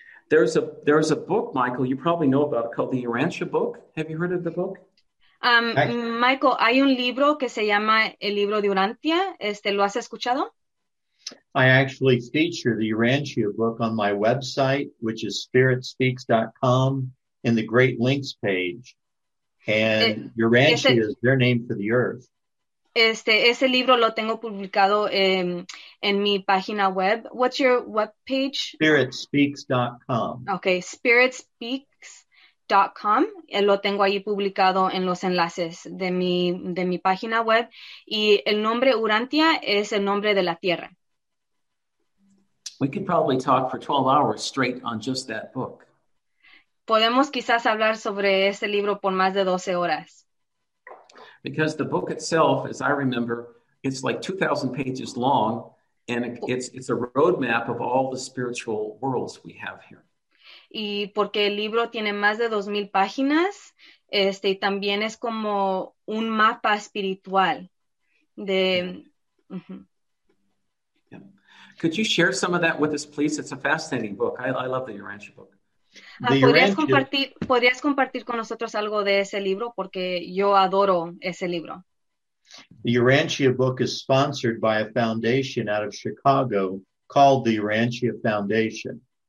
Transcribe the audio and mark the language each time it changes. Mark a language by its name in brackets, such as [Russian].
[English] There's a book, Michael, you probably know about it, called the Urantia book. Have you heard of the book? [Spanish] Michael, hay un libro que se llama El Libro de Urantia. ¿Lo has escuchado? [English] I actually feature the Urantia book on my website, which is spiritspeaks.com, in the Great Links page. And Urantia is their name for the earth. [Spanish] Ese libro lo tengo publicado en mi página web. [English] What's your web page? Spiritspeaks.com. Okay, spiritspeaks.com. [Spanish] Lo tengo ahí publicado en los enlaces de mi página web. Y el nombre Urantia es el nombre de la tierra. [English] We could probably talk for 12 hours straight on just that book. [Spanish] Podemos quizás hablar sobre ese libro por más de 12 horas. [English] Because the book itself, as I remember, it's like 2,000 pages long, and it's a roadmap of all the spiritual worlds we have here. [Spanish] Y porque el libro tiene más de 2,000 páginas, y también es como un mapa espiritual de... [English] Could you share some of that with us, please? It's a fascinating book. I love the Urantia book. [Spanish] ¿Podrías compartir con nosotros algo de ese libro? Porque yo adoro ese libro. [English] The Urantia book is sponsored by a foundation out of Chicago called the Urantia Foundation.